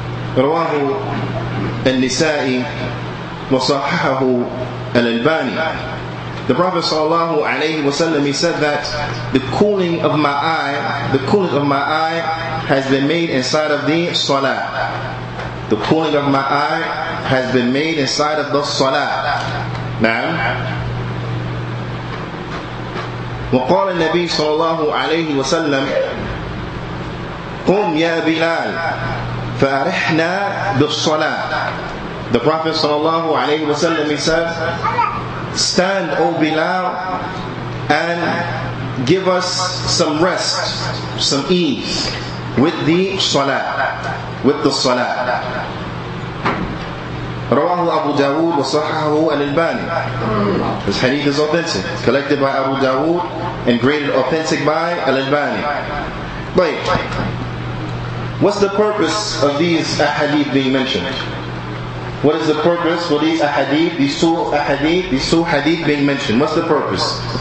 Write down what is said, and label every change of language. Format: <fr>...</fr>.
<ar>رواه النسائي وصححه الألباني.</ar> <en>The Prophet sallallahu alayhi wa sallam, he said that the cooling of my eye has been made inside of the salah. The cooling of my eye has been made inside of the salah.</en> <ar>Now, وقال النبي صلى الله عليه وسلم قم يا بلال فارحنا بالصلاة</ar> <en>The Prophet sallallahu alayhi wa sallam, he said, "Stand, O Bilal, and give us some rest, some ease with the salah, with the salah."</en> <ar>رواه أبو داود وصححه الألباني.</ar> <en>This hadith is authentic, collected by Abu Dawood and graded authentic by Al-Albani. طيب, what's the purpose of these ahadith being mentioned? What is the purpose for these ahadith, these two hadith being mentioned? What's the purpose?</en>